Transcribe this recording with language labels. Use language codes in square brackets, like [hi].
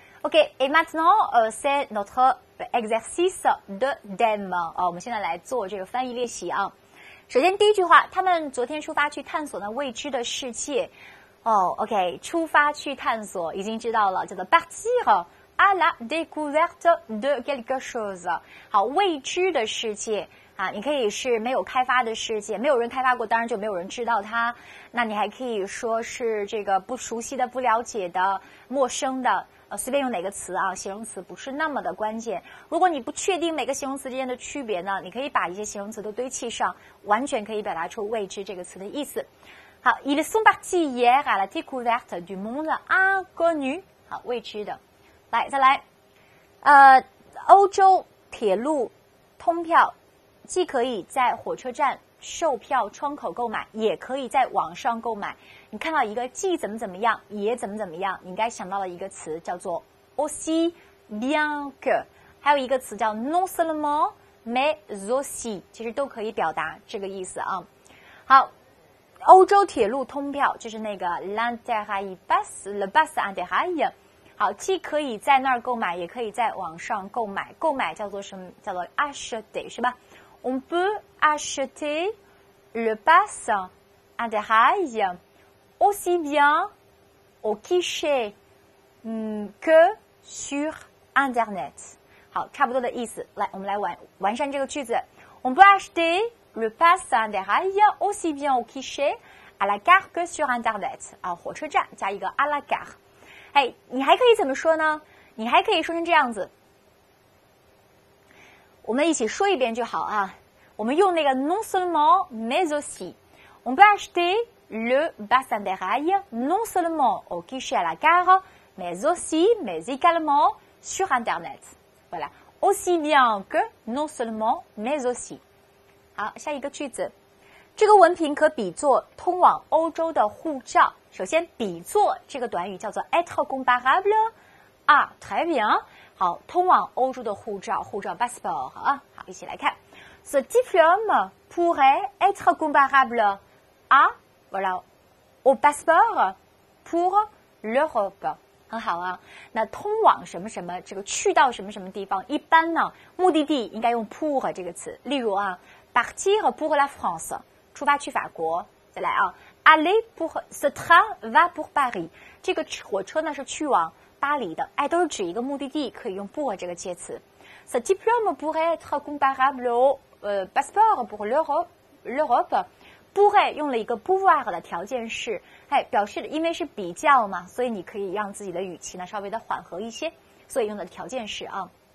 [fr] OK, et maintenant, c'est notre exercice de them. [zh] 我们现在来做这个翻译练习啊。首先第一句话，他们昨天出发去探索那未知的世界。 OK, 出发去探索已经知道了，叫做 [fr] partir à la découverte de quelque chose。 [zh] 好，未知的世界。啊，你可以是没有开发的世界，没有人开发过，当然就没有人知道它。那你还可以说是这个不熟悉的、不了解的、陌生的，随便用哪个词啊，形容词不是那么的关键。如果你不确定每个形容词之间的区别呢，你可以把一些形容词都堆砌上，完全可以表达出未知这个词的意思。 [fr] 好 ，ils sont partis hier à la découverte du monde inconnu。 [zh] 好，未知的。来，再来，欧洲铁路通票。既可以在火车站售票窗口购买，也可以在网上购买。你看到一个既怎么怎么样，也怎么怎么样，你应该想到了一个词叫做 [fr] aussi bien que， [zh] 还有一个词叫 [fr] non seulement mais aussi， [zh] 其实都可以表达这个意思啊。好，欧洲铁路通票就是那个 [fr] l'interrail bus le bus interrail。 [zh] 好，既可以在那儿购买，也可以在网上购买。购买叫做什么？叫做 acheter 是吧？ [fr] On peut acheter le pass interrail aussi bien au guichet que sur Internet. [zh] 好，差不多的意思。来，我们来完善这个句子。 [fr] On peut acheter le pass interrail aussi bien au guichet à la gare que sur Internet. [zh] 啊，火车站加一个 [fr] à la gare。 [zh] 哎，你还可以怎么说呢？你还可以说成这样子。我们一起说一遍就好啊。我们用那个 [fr] non seulement mais aussi， on peut acheter le pass interrail non seulement au guichet à la gare mais aussi mais également sur internet， voilà aussi bien que non seulement mais aussi。 [zh] 好，下一个句子，这个文凭可比作通往欧洲的护照。首先，比作这个短语叫做 [fr] être comparable à， très bien。 [zh] 好，通往欧洲的护照 passeport 啊。 [fr] 好，一起来看，Ce diplôme pourrait être comparable à, voilà, au passeport pour l'Europe. [zh] 很好啊。那通往什么什么，这个去到什么什么地方，一般呢，目的地应该用 pour 这个词。例如啊 , [fr] partir pour la France, [zh] 出发去法国。再来啊 [fr] ,aller pour, ce train va pour Paris. [zh] 这个火车呢是去往巴黎的。哎，都是指一个目的地，可以用 pour 这个介词。 [fr] Ce diplôme pourrait être comparable au passeport pour l'Europe pourrait [zh] 用了一个 pouvoir 的条件式，哎，表示因为是比较嘛，所以你可以让自己的语气呢稍微的缓和一些，所以用的条件式啊。